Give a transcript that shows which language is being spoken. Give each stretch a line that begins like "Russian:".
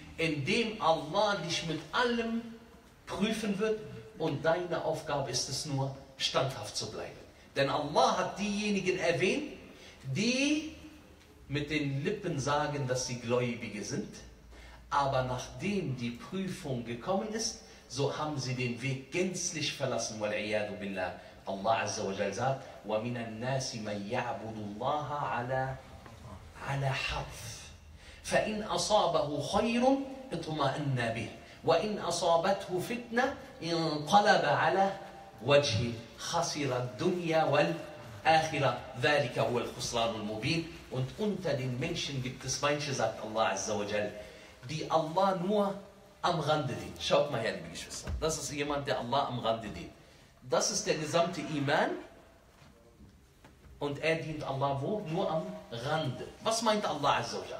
German: Indem Allah dich mit allem prüfen wird und deine Aufgabe ist es nur, standhaft zu bleiben. Denn Allah hat diejenigen erwähnt, die mit den Lippen sagen, dass sie Gläubige sind, aber nachdem die Prüfung gekommen ist, so haben sie den Weg gänzlich verlassen.
Arabic: Wal-iyadu billah. Allah Azza wa Jalla sagt, وَمِنَ النَّاسِ مَنْ يَعْبُدُ اللَّهَ عَلَى حَرْفٍ فَإِنْ أَصَابَهُ خَيْرٌ اطْمَأَنَّ بِهِ وَإِنْ أَصَابَتْهُ فِتْنَةٌ انْقَلَبَ عَلَى وَجْهِهِ خَسِرَ الدُّنْيَا وَالْآخِرَةَ ذَلِكَ هُوَ الْخُسْرَانُ الْمُبِينُ.
German: Und unter den Menschen gibt es manche, sagt Allah Azza wa Jalla, die Allah nur am Rande dient. Schaut mal her, liebe Geschwister. Das ist jemand, der Allah am Rande dient. Das ist der gesamte Iman. Und er dient Allah wo? Nur am Rande. Was meint Allah Azza wa Jalla?